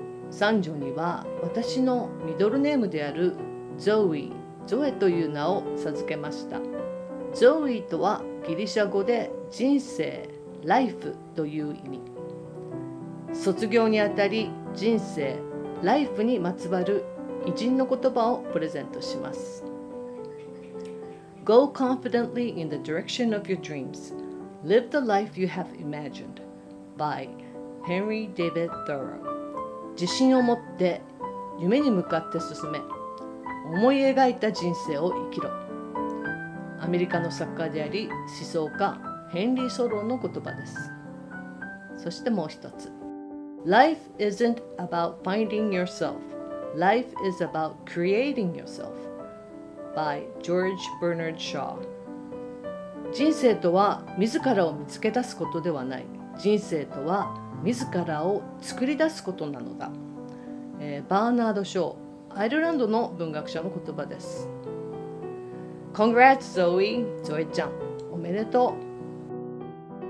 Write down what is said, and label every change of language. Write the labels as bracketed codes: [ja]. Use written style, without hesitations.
[ja] 三女には私のミドルネームであるゾーイ、ゾエという名を授けました。ゾーイとはギリシャ語で人生、ライフという意味。卒業にあたり人生、ライフにまつわる偉人の言葉をプレゼントします。 [en] Go confidently in the direction of your dreams. Live the life you have imagined by Henry David Thoreau。 [ja] 自信を持って夢に向かって進め、思い描いた人生を生きろ。アメリカの作家であり思想家ヘンリー・ソローの言葉です。そしてもう一つ、 [en] Life isn't about finding yourself. Life is about creating yourself by George Bernard Shaw。 [ja] 人生とは自らを見つけ出すことではない、人生とは自らを作り出すことなのだ、バーナード・ショー、アイルランドの文学者の言葉です。 [en] Congrats Zoe、 [ja] ゾエちゃんおめでとう。